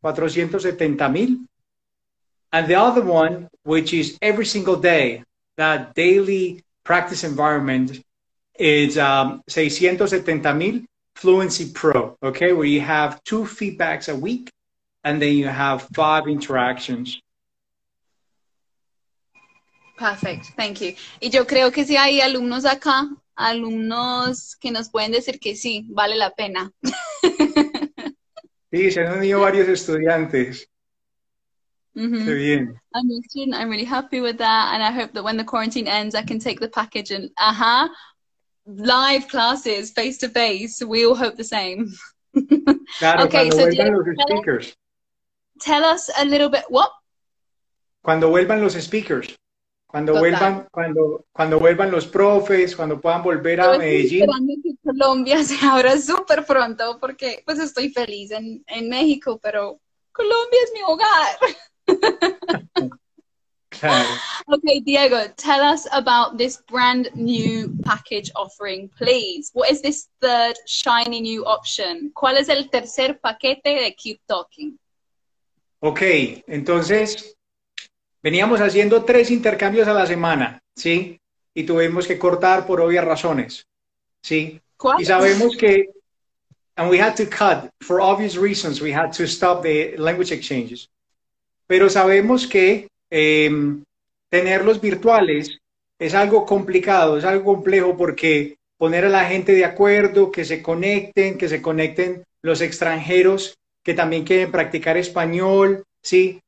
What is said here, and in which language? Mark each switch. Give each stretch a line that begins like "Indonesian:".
English: And the other one, which is every single day, that daily practice environment, is 670,000 Fluency Pro, okay, where you have two feedbacks a week and then you have five interactions. Perfect, thank you.
Spanish: Y yo creo que si hay alumnos acá, alumnos que nos pueden decir que sí, vale la pena. Sí, se han unido varios estudiantes.
English: Mm-hmm. I'm a student. I'm really happy with that, and I hope that when the quarantine ends, I can take the package and live classes face to face. We all hope the same.
Spanish: Claro, okay, so vuelvan los speakers.
English: Tell us a little bit. What?
Spanish: Cuando vuelvan los speakers. Cuando vuelvan, cuando vuelvan los profes, cuando puedan volver a Medellín. Colombia se abra super pronto porque pues estoy feliz en México, pero Colombia es mi hogar. Claro.
English: Okay, Diego, tell us about this brand new package offering, please. What is this third shiny new option?
Spanish: ¿Cuál es el tercer paquete de Keep Talking? Okay, entonces veníamos haciendo tres intercambios a la semana, ¿sí? Y tuvimos que cortar por obvias razones, ¿sí? ¿Cuál? Y sabemos que,
English: and we had to cut, for obvious reasons, we had to stop the language exchanges.
Spanish: Pero sabemos que tenerlos virtuales es algo complicado, es algo complejo, porque poner a la gente de acuerdo, que se conecten los extranjeros que también quieren practicar español, ¿sí?